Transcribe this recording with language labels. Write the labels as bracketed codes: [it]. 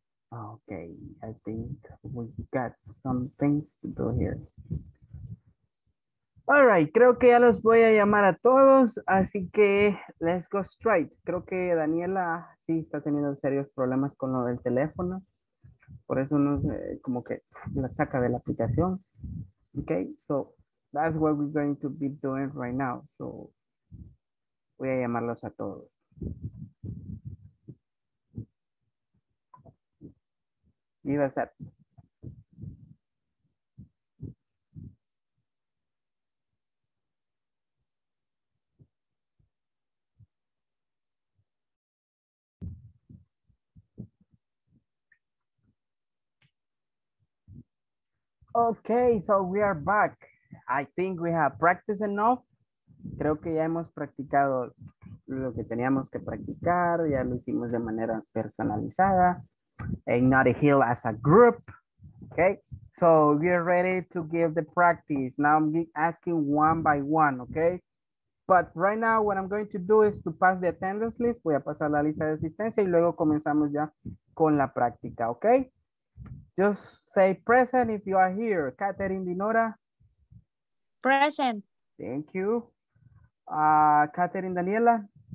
[en] Okay, I think we got some things to do here. All right, [es] creo que ya los voy a llamar a todos, así que [en] let's go straight. [es] Creo que Daniela sí está teniendo serios problemas con lo del teléfono. Por eso nos como que la saca de la aplicación. [en] Okay, so that's what we're going to be doing right now. [es] So voy a llamarlos a todos. Viva Zep. [en] All Okay, so we are back. I think we have practiced enough. [es] Creo que ya hemos practicado lo que teníamos que practicar. Ya lo hicimos de manera personalizada. [en] In Naughty Hill as a group. Okay, so we're ready to give the practice. Now I'm asking one by one, okay? But right now what I'm going to do is to pass the attendance list. [es] Voy a pasar la lista de asistencia y luego comenzamos ya con la práctica, okay? [en] Just say present if you are here. Catherine Dinora. Present. Thank you. Catherine Daniela.